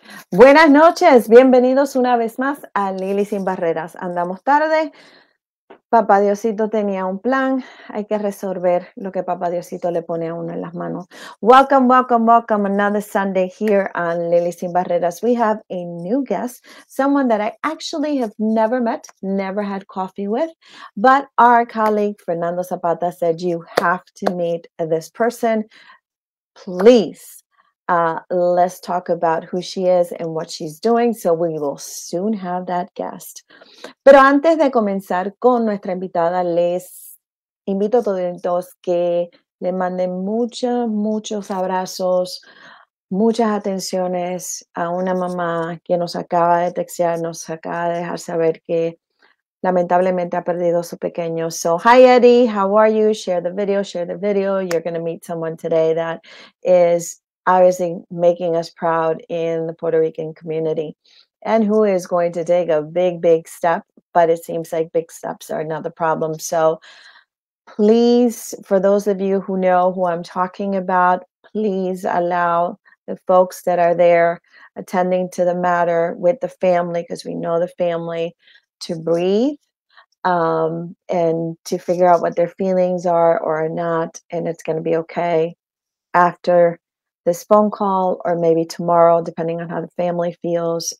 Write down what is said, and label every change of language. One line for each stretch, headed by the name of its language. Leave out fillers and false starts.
Spanish: Buenas noches, bienvenidos una vez más a Lili Sin Barreras. Andamos tarde, Papá Diosito tenía un plan, hay que resolver lo que Papá Diosito le pone a uno en las manos.
English: Welcome, welcome, welcome, another Sunday here on Lili Sin Barreras. We have a new guest, someone that I actually have never met, never had coffee with, but our colleague Fernando Zapata said you have to meet this person, please. Let's talk about who she is and what she's doing. So we will soon have that guest.
Spanish: Pero antes de comenzar con nuestra invitada, les invito a todos que le manden muchos, muchos abrazos, muchas atenciones a una mamá que nos acaba de textear, nos acaba de dejar saber que lamentablemente ha perdido su pequeño.
English: So, hi Eddie, how are you? Share the video, share the video. You're going to meet someone today that is obviously making us proud in the Puerto Rican community and who is going to take a big, big step, but it seems like big steps are not the problem. So please, for those of you who know who I'm talking about, please allow the folks that are there attending to the matter with the family, because we know the family, to breathe and to figure out what their feelings are or are not, and it's going to be okay after this phone call, or maybe tomorrow, depending on how the family feels.